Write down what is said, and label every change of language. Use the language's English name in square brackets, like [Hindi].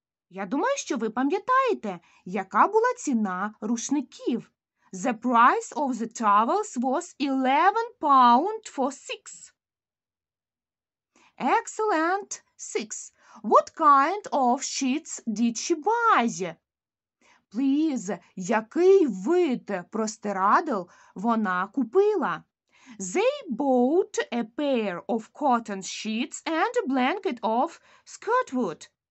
[Ukrainian] Я думаю, що ви пам'ятаєте, яка була ціна рушників. [English] The price of the towels was 11 pound for six. Excellent. Six. What kind of sheets did she buy? [Ukrainian] Please, який вид простирадл вона купила? [English] They bought a pair of cotton sheets and a blanket of skirtwood.